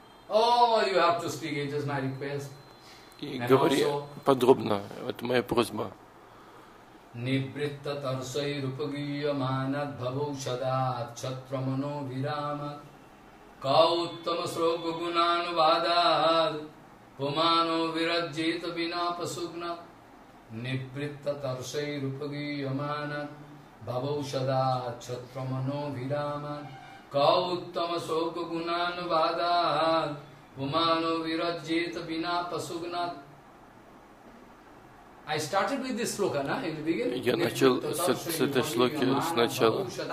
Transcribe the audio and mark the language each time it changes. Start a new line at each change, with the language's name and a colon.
English: Oh, you have to speak, it is my request.
Russian: И говори подробно, это моя просьба.
Sanskrit: Nibritta tarsai rupagīya mānat bhavaushadāt chatramano virāmat kauttama sroga gunānu vādāt pumāno virajjeta vināpasugnat nibritta tarsai rupagīya mānat bhavaushadāt chatramano virāmat kauttama sroga gunānu vādāt Умано вираджит бина пасугнат.
English: I started with this shloka, na, in the beginning.
Russian: Я начал с этой шлоки сначала.